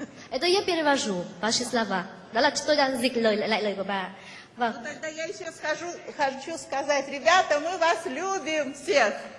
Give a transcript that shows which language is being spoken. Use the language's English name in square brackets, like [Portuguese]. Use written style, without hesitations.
[Russian] Это я перевожу ваши слова. [Vietnamese] Đó là tôi đang dịch lại lời của bà. Vâng. [Russian] Тогда я еще хочу сказать, ребята, мы вас любим всех.